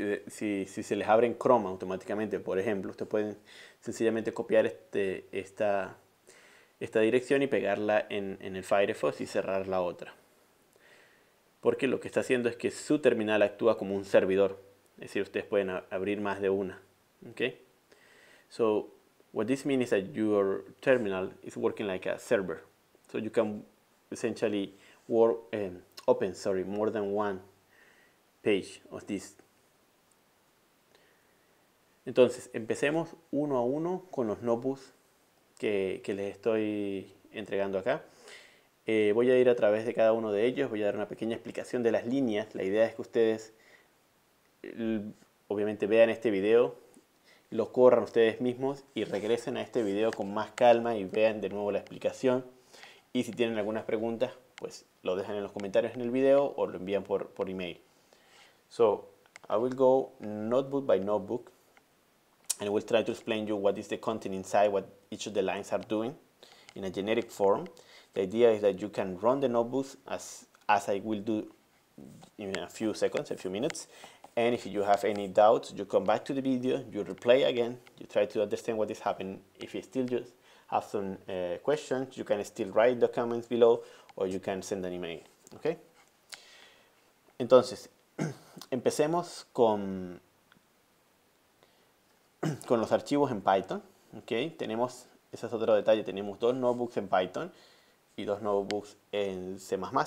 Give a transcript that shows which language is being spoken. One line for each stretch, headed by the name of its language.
Spanish: Si se les abre en Chrome automáticamente, por ejemplo, ustedes pueden sencillamente copiar esta dirección y pegarla en el Firefox y cerrar la otra. Porque lo que está haciendo es que su terminal actúa como un servidor. Es decir, ustedes pueden abrir más de una.
English: Okay? So, what this means is that your terminal is working like a server. So, you can essentially work, open sorry, more than one page of this.
Spanish: Entonces, empecemos uno a uno con los notebooks que les estoy entregando acá. Voy a ir a través de cada uno de ellos, voy a dar una pequeña explicación de las líneas. La idea es que ustedes, obviamente, vean este video, lo corran ustedes mismos y regresen a este video con más calma y vean de nuevo la explicación. Y si tienen algunas preguntas, pues lo dejan en los comentarios en el video o lo envían por email.
English: So, I will go notebook by notebook. And we'll try to explain you what is the content inside, what each of the lines are doing in a generic form. The idea is that you can run the notebooks as I will do in a few seconds, a few minutes. And if you have any doubts, you come back to the video, you replay again, you try to understand what is happening. If you still just have some questions, you can still write the comments below or you can send an email. Okay?
Spanish: Entonces, empecemos con los archivos en Python, okay. Tenemos, ese es otro detalle, tenemos dos notebooks en Python y dos notebooks en C++.